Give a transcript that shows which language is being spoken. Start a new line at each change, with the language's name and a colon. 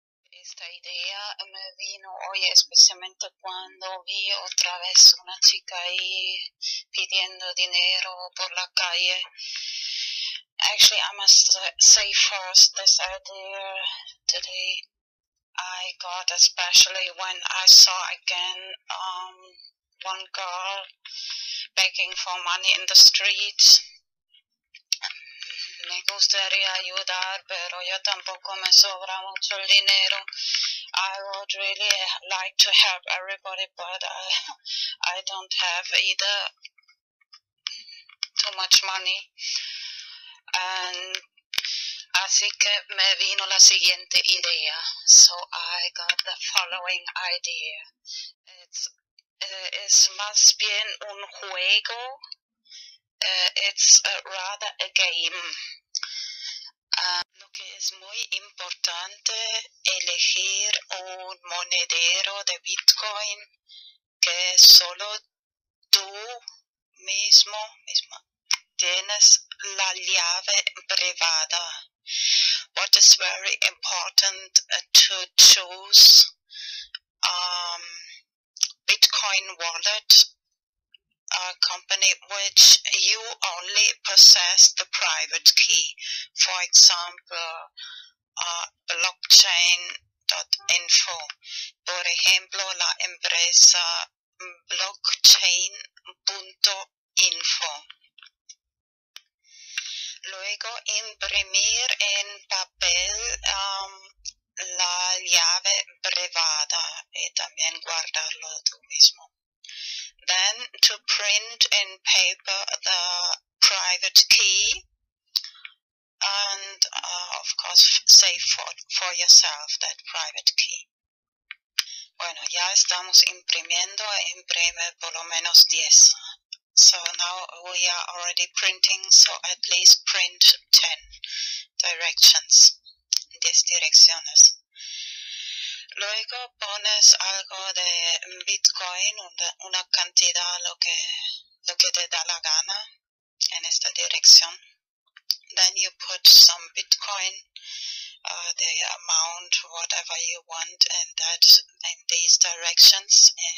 Spanish: esta idea me vino hoy, especialmente cuando vi otra vez una chica ahí pidiendo dinero por la calle.
English: Actually, I must say first this idea today I got, especially when I saw again one girl begging for money in the street.
Spanish: Me gustaría ayudar, pero yo tampoco me sobra mucho el dinero.
English: I would really like to help everybody, but I don't have either too much money.
Spanish: And así que me vino la siguiente idea.
English: So I got the following idea. It's
Spanish: más bien un juego.
English: It's rather a game.
Spanish: Lo que es muy importante elegir un monedero de Bitcoin que solo tú mismo tienes la llave privada.
English: What is very important to choose Bitcoin wallet, a company which you only possess the private key. For example, blockchain.info.
Spanish: Por ejemplo, la empresa blockchain.info. Luego, imprimir en papel la llave privada y también guardarlo tú mismo.
English: Then, to print in paper the private key and, of course, save for yourself that private key.
Spanish: Bueno, ya estamos imprimiendo, imprime por lo menos 10.
English: So now we are already printing, so at least print 10 directions,
Spanish: 10 direcciones. Luego pones algo de Bitcoin, una cantidad, lo que te da la gana en esta dirección.
English: Then you put some Bitcoin, the amount, whatever you want, and that in these directions.